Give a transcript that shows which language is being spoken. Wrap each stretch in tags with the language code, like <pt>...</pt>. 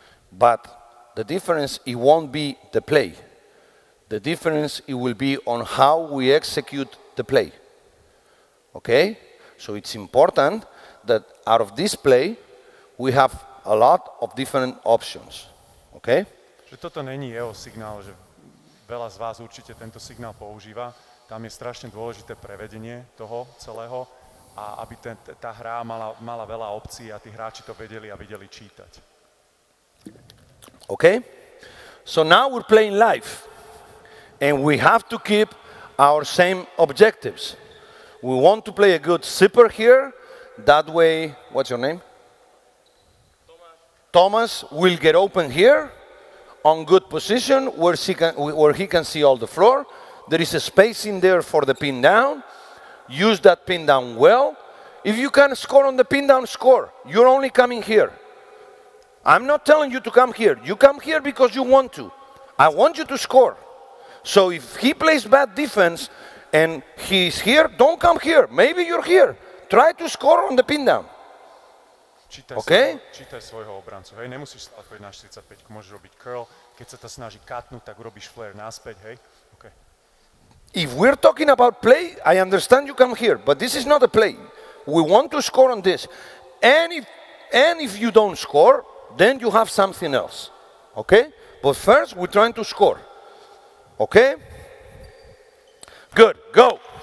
<en>But the difference, it won't be the play. The difference, it will be on how we execute the play. Okay? So it's important that out of this play, we have a lot of different options. Okay?</en> <sk>Že toto není jeho signál, že veľa z vás určite tento signál používa. Tam je strašne dôležité prevedenie toho celého. A aby ten, tá hra mala veľa opcií a tí hráči to vedeli a videli čítať.</sk> <en>Okay? So now we're playing live. And we have to keep our same objectives. We want to play a good zipper here. That way, what's your name? Thomas will get open here on good position where he can see all the floor. There is a space in there for the pin down. Use that pin down well. If you can score on the pin down, score. You're only coming here. I'm not telling you to come here. You come here because you want to. I want you to score. So if he plays bad defense and he's here, don't come here. Maybe you're here. Try to score on the pin down.</en> <sk>Čítaj svojho obrancu, hej, nemusíš stáť poď na 45, môžeš robiť curl, keď sa ta snaží katnúť, tak urobíš flare naspäť, hej, okay.</sk> <en>If we're talking about play, I understand you come here, but this is not a play. We want to score on this. And if you don't score, then you have something else, okay? But first, we're trying to score, okay? Good, go.</en>